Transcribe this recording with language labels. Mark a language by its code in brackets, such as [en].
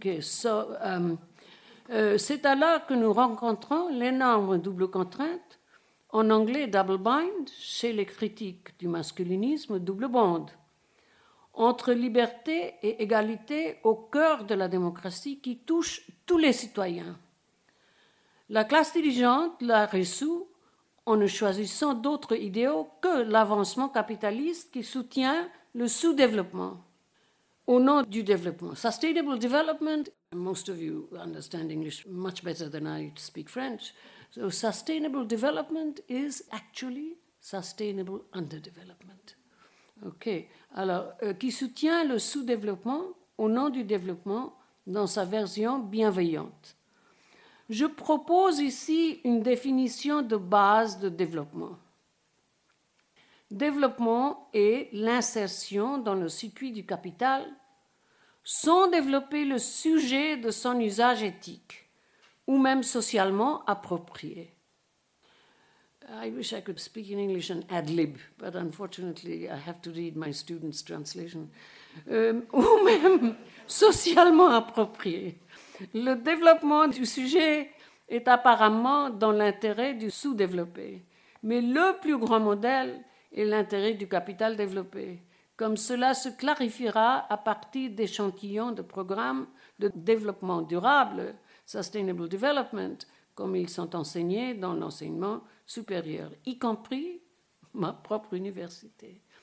[fr] C'est alors que nous rencontrons l'énorme double contrainte, en anglais « double bind », chez les critiques du masculinisme, « double bond », entre liberté et égalité au cœur de la démocratie qui touche tous les citoyens. La classe dirigeante la résout en ne choisissant d'autres idéaux que l'avancement capitaliste qui soutient le sous-développement au nom du développement. [en] Sustainable development, most of you understand English much better than I speak French. So sustainable development is actually sustainable underdevelopment. OK. [fr] Alors, qui soutient le sous-développement au nom du développement dans sa version bienveillante. Je propose ici une définition de base de développement. Développement est l'insertion dans le circuit du capital sans développer le sujet de son usage éthique ou même socialement approprié. [en] I wish I could speak in English and ad lib, but unfortunately I have to read my students' translation. [fr] Ou même socialement approprié. Le développement du sujet est apparemment dans l'intérêt du sous-développé. Mais le plus grand modèle est l'intérêt du capital développé, comme cela se clarifiera à partir d'échantillons de programmes de développement durable, sustainable development, comme ils sont enseignés dans l'enseignement supérieur, y compris ma propre université.